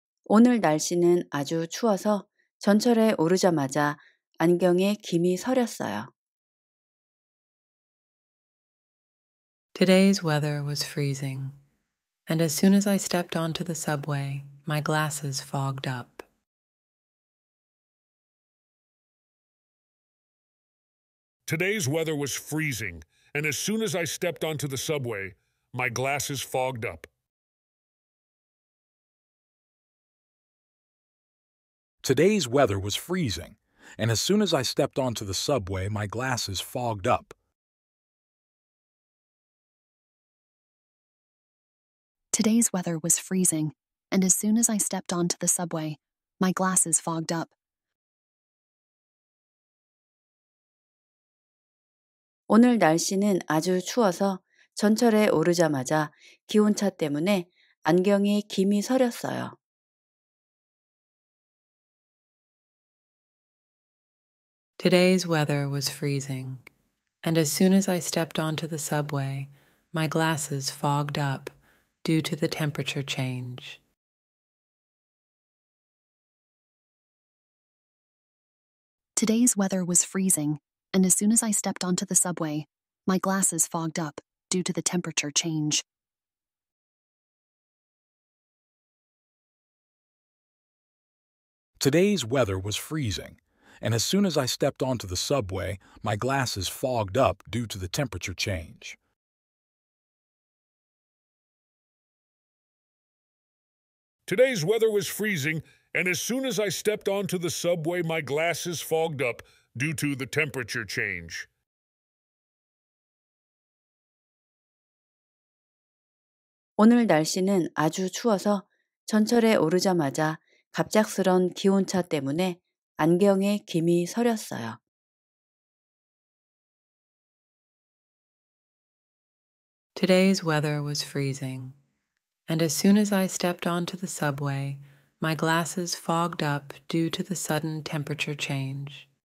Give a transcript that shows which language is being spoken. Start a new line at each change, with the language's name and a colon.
Korean: 오늘 날씨는 아주 추워서 전철에 오르자마자 안경에 김이 서렸어요.
English: Today's weather was freezing, and as soon as I stepped onto the subway, my glasses fogged up. Today's weather was freezing, and as soon as I stepped onto the subway, my glasses fogged up. Today's weather was freezing, and as soon as I stepped onto the subway, my glasses fogged up. Today's weather was freezing, and as soon as I stepped onto the subway, my glasses fogged up.
Korean: 오늘 날씨는 아주 추워서 전철에 오르자마자 기온차 때문에 안경에 김이 서렸어요.
English: Today's weather was freezing, and as soon as I stepped onto the subway, my glasses fogged up due to the temperature change. Today's weather was freezing, and as soon as I stepped onto the subway, my glasses fogged up due to the temperature change. Today's weather was freezing. And as soon as I stepped onto the subway, my glasses fogged up due to the temperature change. Today's weather was freezing, and as soon as I stepped onto the subway, my glasses fogged up due to the temperature change. Today's weather was freezing, and as soon as I stepped onto the subway, my glasses fogged up due to the temperature change.
Korean: 오늘 날씨는 아주 추워서 전철에 오르자마자 갑작스런 기온차 때문에 안경에 김이 서렸어요.
English: Today's weather was freezing, and as soon as I stepped onto the subway, my glasses fogged up due to the sudden temperature change.